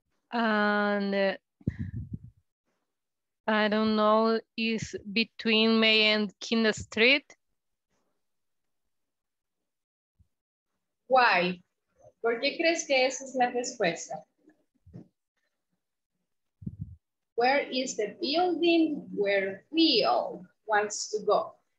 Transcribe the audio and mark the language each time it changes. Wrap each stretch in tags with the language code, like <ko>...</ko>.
<en>I don't know, is between May and King Street. Why?</en> <es>¿Por qué crees que esa es la respuesta?</es> <en>Where is the building where we all wants to go?</en>